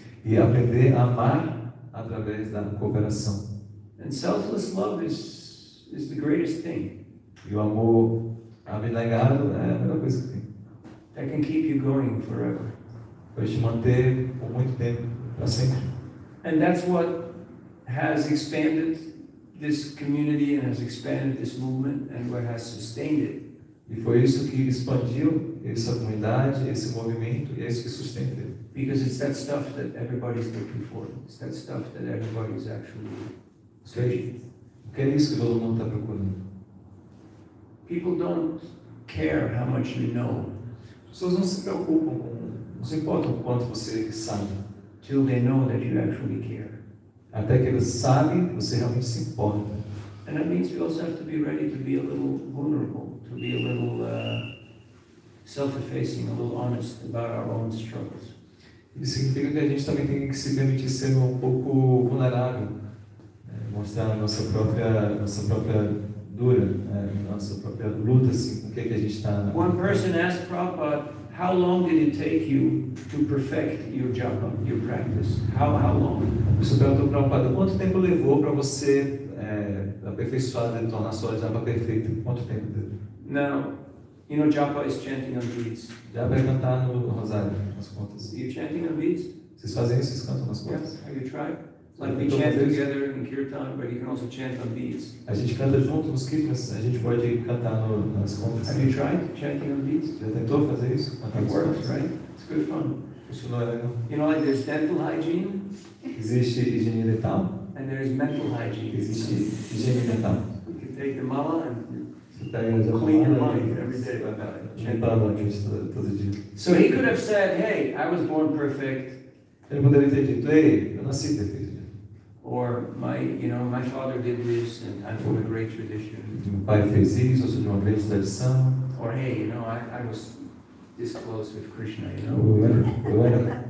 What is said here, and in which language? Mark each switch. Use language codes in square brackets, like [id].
[pt] E aprender a amar através da cooperação. [en] And selfless love is the greatest thing. [pt] E o amor abnegado é a melhor coisa que tem. [en] That can keep you going forever. [pt] Vai te manter por muito tempo, para sempre. [en] And that's what has expanded this community and has expanded this movement and what has sustained it. [pt] E foi isso que expandiu essa comunidade, esse movimento, e é isso que sustenta. [en] Because it's that stuff that everybody's looking for. It's that stuff that everybody's actually searching. [pt] O que é isso que todo mundo está procurando? [en] People don't care how much you know. [pt] As pessoas não se preocupam com, não se importam com quanto você sabe. [en] Till they know that you actually care. [pt] Até que eles sabem que você realmente se importa. [en] And that means we also have to be ready to be a little vulnerable, to be a little self-effacing, a little honest about our own struggles. [pt] Isso significa que a gente também tem que se permitir ser um pouco vulnerável, mostrar a nossa própria dura, nossa própria luta, assim, com o que a gente está. [en] One person asked Prabhupada, how long did it take you to perfect your japa, your practice? How long? [pt] Você perguntou para Prabhupada, quanto tempo levou para você aperfeiçoar, tornar a sua japa perfeita? Quanto tempo teve? [en] Now, you know japa is chanting on beads. [pt] Japa é cantar no rosário, nas contas. [en] Are you chanting on beads? [pt] Vocês fazem isso, vocês cantam nas contas? [en] Yeah. Have you tried? Like we chant together in kirtan, but you can also chant on beads. [pt] A gente canta junto nos kirtans, a gente pode cantar no, nas contas. [en] Have you tried chanting on beads? [pt] Já tentou fazer isso? [en] It works, right? It's good fun. [pt] Funcionou legal. [en] You know, like there's dental hygiene. [pt] Existe higiene dental. [en] And there is mental hygiene. [pt] Existe higiene dental. [en] You can take the mala and clean your mind every day. So he could have said, hey, I was born perfect. [pt] Ele poderia ter dito, ei, eu nasci perfeito. [en] Or my, you know, my father did this and I'm from a great tradition. [pt] Meu pai fez isso, ou seja, uma grande tradição. [en] Or hey, you know, I was this close with Krishna, you know.